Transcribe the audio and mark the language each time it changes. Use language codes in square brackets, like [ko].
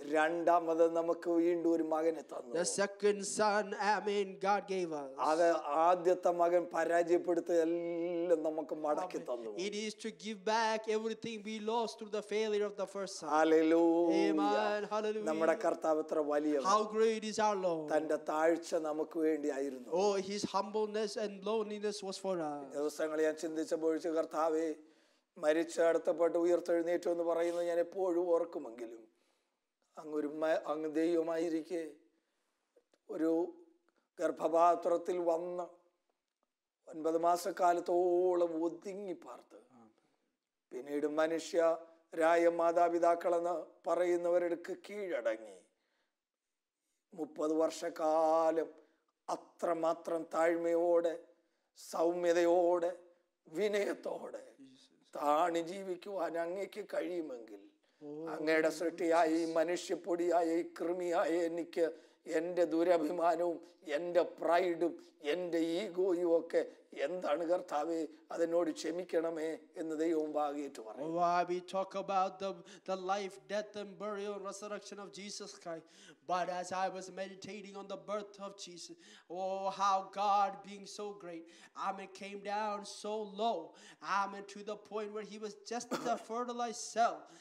[ml] രണ്ടാമത് നമുക്ക് വീണ്ടും ഒരു മകനെ തന്നു. [en] The second son I mean God gave us. [ml] അത് ആദ്യത്തെ മകൻ പരാജയപ്പെട്ടത് എല്ലാം നമുക്ക് മടക്കി തന്നു. [en] It is to give back everything we lost through the failure of the first son. Hallelujah. Amen. Hallelujah. [ml] നമ്മുടെ കർത്താവ് എത്ര വലിയവൻ. [en] How great is our Lord. [ml] തന്റെ താഴ്ച നമുക്ക് വേണ്ടിയായിരുന്നു. [en] Oh his humbleness and lowliness was for us. [ml] ദിവസങ്ങൾ ഞാൻ ചിന്തിച്ചപ്പോൾ കർത്താവേ മരിച്ചടുത്തപ്പെട്ട് ഉയർത്തെഴുന്നേറ്റു എന്ന് പറയുന്നത് ഞാൻ എപ്പോഴും ഓർക്കുമെങ്കിലും അങ്ങ് ഒരു അങ്ങ് ദൈവമായിരിക്കെ ഒരു ഗർഭപാത്രത്തിൽ വന്ന് 9 മാസക്കാലത്തോളം ഒതുങ്ങിപ്പാർത്ത് പിന്നീട് മനുഷ്യരായ മാതാപിതാക്കളെന്ന് പറയുന്നവരടുക്ക് കീഴടങ്ങി 30 വർഷക്കാലം അത്രമാത്രം താഴ്മയോടെ സൗമ്യതയോടെ വിനയത്തോടെ താണി ജീവിക്കുവാൻ അങ്ങേക്ക് കഴിയുമെങ്കിൽ അങ്ങയുടെ സൃഷ്ടിയായ ഈ മനുഷ്യപ്പൊടിയായ ഈ കൃമിയായ എനിക്ക് എൻ്റെ ദുരഭിമാനവും എൻ്റെ പ്രൈഡും എൻ്റെ ഈഗോയും ഒക്കെ എന്താണ് കർത്താവ് അതിനോട് ക്ഷമിക്കണമേ എന്ന് ദൈവം വാഗ്ദാനം പറഞ്ഞു. [en] Why we talk about the life, death and burial and resurrection of Jesus Christ. But as I was meditating on the birth of Jesus, oh how God being so great, I mean came down so low, I mean to the point where he was just a fertilized cell.